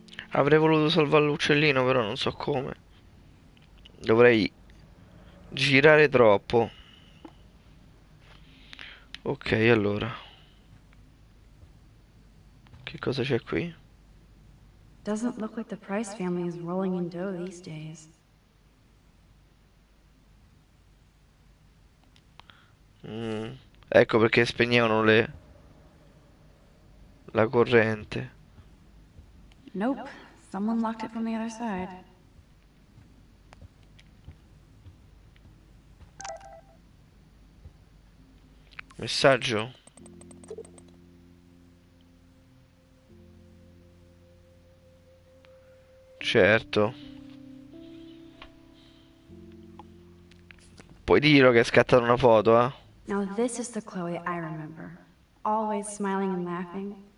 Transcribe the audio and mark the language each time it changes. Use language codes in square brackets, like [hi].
[it] Avrei voluto salvare l'uccellino, però non so come. Dovrei girare troppo. Ok, allora. Che cosa c'è qui? [en] Doesn't look like the Price family is rolling in dough these days. [it] Ecco perché spegnevano le la corrente. [en] Nope, someone locked it from the other side. [it] Messaggio. Certo. Puoi dirlo che è scattata una foto, eh? [en] Now this is the Chloe I remember. Always smiling and laughing.